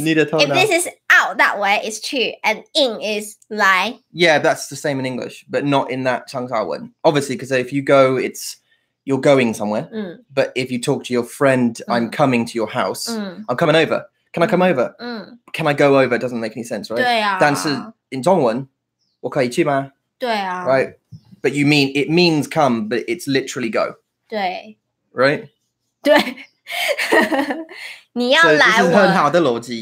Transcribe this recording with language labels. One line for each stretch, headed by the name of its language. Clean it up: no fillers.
Chinese: 你的头脑.
English: If this is out that way, it's 去. And in is like. Yeah, that's the same in English, but not in that Changsha one. Obviously, because if you go, it's you're going somewhere. Mm. But if you talk to your friend, I'm coming to your house. Mm. I'm coming over. Can I come over? Mm. Can I go over? It doesn't make any sense, right?
Chinese: 对啊. 但是
English: in
Chinese: 中文, 我可以去吗? 对啊.
English: Right? But you mean, it means come, but it's literally go.
Chinese: 对.
English: Right?
Chinese: 对. 你要来我。这是很好的逻辑。